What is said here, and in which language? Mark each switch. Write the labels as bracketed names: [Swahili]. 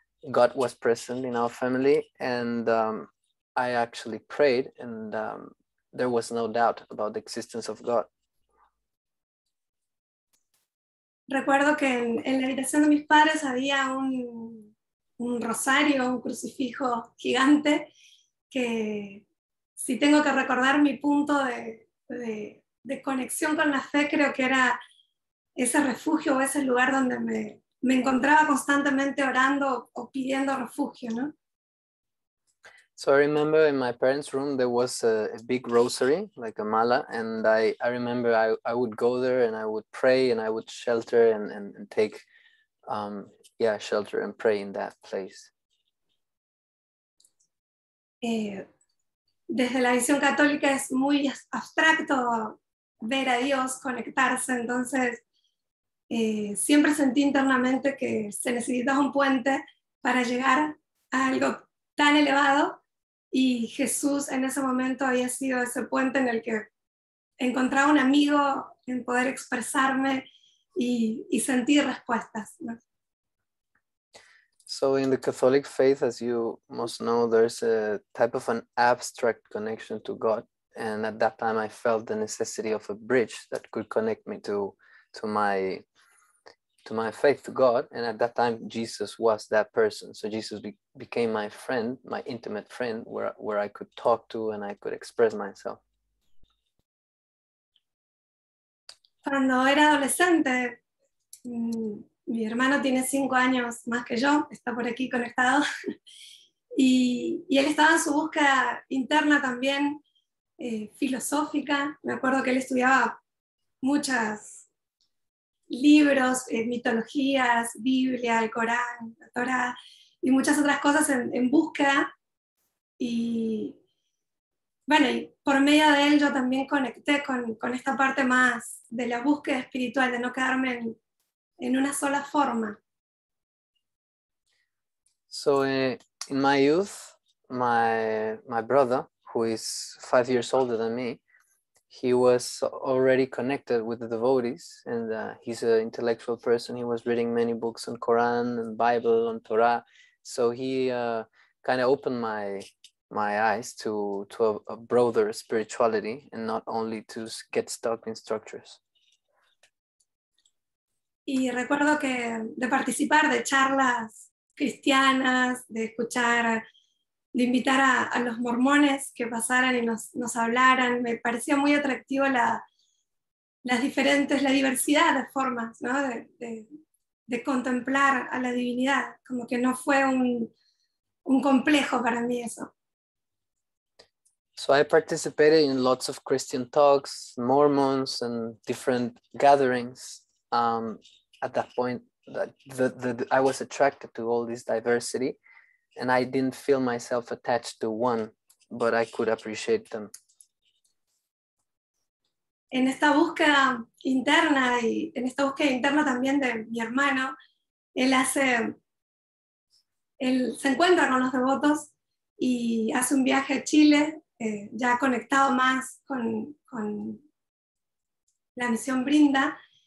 [English] God was present in our family, and I actually prayed, and there was no doubt about the existence of God. [Spanish] Recuerdo que en la habitación de mis padres había un rosario, un crucifijo gigante, que si tengo que recordar mi punto de conexión con la fe, creo que era ese refugio o ese lugar donde me encontraba constantemente orando o pidiendo refugio, ¿no? [English] So I remember in my parents' room there was a big rosary, like a mala, and I remember I would go there and I would pray and I would shelter and take shelter and pray in that place. [Spanish] Desde la visión católica es muy abstracto ver a Dios, conectarse, entonces siempre sentí internamente que se necesitaba un puente para llegar a algo tan elevado, y Jesús en ese momento había sido ese puente en el que encontraba un amigo en poder expresarme y sentir respuestas, ¿no? [English] So in the Catholic faith, as you must know, there's a type of an abstract connection to God. And at that time, I felt the necessity of a bridge that could connect me to my faith, to God. And at that time, Jesus was that person. So Jesus became my friend, my intimate friend, where I could talk to and I could express myself. [Spanish] Cuando era adolescente, mi hermano tiene 5 años más que yo, está por aquí conectado, y él estaba en su búsqueda interna también, filosófica. Me acuerdo que él estudiaba muchos libros, mitologías, Biblia, el Corán, la Torá y muchas otras cosas en búsqueda. Y bueno, y por medio de él yo también conecté con esta parte más de la búsqueda espiritual, de no quedarme en una sola forma. [English] So in my youth, my brother, who is 5 years older than me, he was already connected with the devotees, and he's an intellectual person. He was reading many books on Quran and Bible, on Torah. So he kind of opened my eyes to a broader spirituality, and not only to get stuck in structures. [Spanish] Y recuerdo que de participar de charlas cristianas, de escuchar, de invitar a los mormones que pasaran y nos hablaran, me parecía muy atractivo la diversidad de formas, ¿no? De contemplar a la divinidad, como que no fue un complejo para mí eso. [English] So I participated in lots of Christian talks, Mormons and different gatherings. At that point, I was attracted to all this diversity. And I didn't feel myself attached to one, but I could appreciate them. [Spanish] En esta búsqueda interna y en esta búsqueda interna también de mi hermano, él se encuentra con los devotos y hace un viaje a Chile, ya conectado más con la misión Brinda.